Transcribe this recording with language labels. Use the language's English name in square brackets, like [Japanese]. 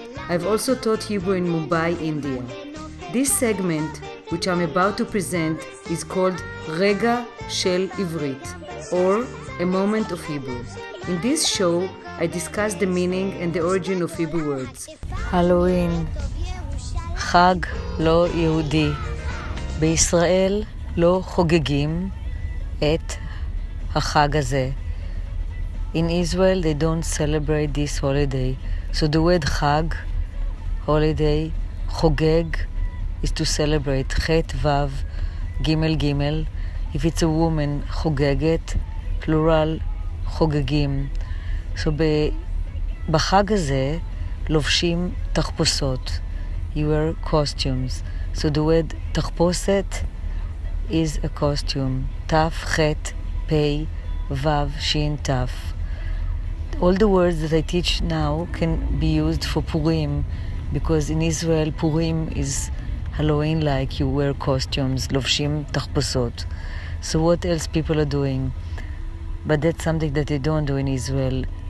[English] I've also taught Hebrew in Mumbai, India. This segment, which I'm about to present, is called Rega Shel Ivrit, or A Moment of Hebrew. In this show, I discuss the meaning and the origin of Hebrew words. [Hebrew] Halloween. Chag lo Yehudi. בישראל לא חוגגים את החג הזה. [English] In Israel, they don't celebrate this holiday. So the word chag, holiday, חוגג, is to celebrate. Chet, Vav, Gimel, Gimel. If it's a woman, חוגגת, plural, חוגגים. [Hebrew] So בחג הזה לובשים תחפושות. [English] You wear costumes. So the word תחפושת is a costume. Taf, chet, pei, vav, shin, taf. All the words that I teach now can be used for Purim, because in Israel, Purim is Halloween-like. You wear costumes, [Hebrew] לובשים תחפושות. [English] So what else people are doing? But that's something that they don't do in Israel.